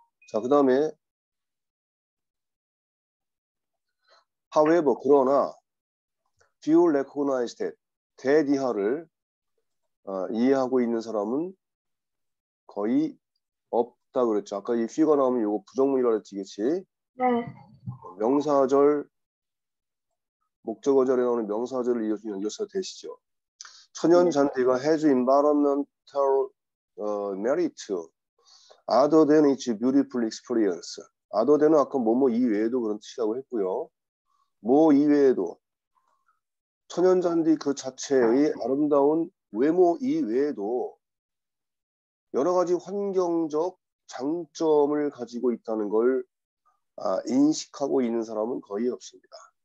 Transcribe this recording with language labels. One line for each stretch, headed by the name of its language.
Korean: 자, 그 다음에 however, 그러나
English: do you recognize that?
Korean: that 이하를 이해하고 있는 사람은 거의 없다 그랬죠. 아까 이 few가 나오면 이거 부정문이라 그랬지, 그치? 네. 명사절, 목적어절에 나오는 명사절을 이어서 연결사 되시죠. 천연 잔디가
English: has environmental merit, other than its beautiful experience.
Korean: other than은 아까 뭐뭐 이외에도 그런 뜻이라고 했고요. 뭐 이외에도 천연잔디 그 자체의 아름다운 외모 이외에도 여러 가지 환경적 장점을 가지고 있다는 걸 인식하고 있는 사람은 거의 없습니다.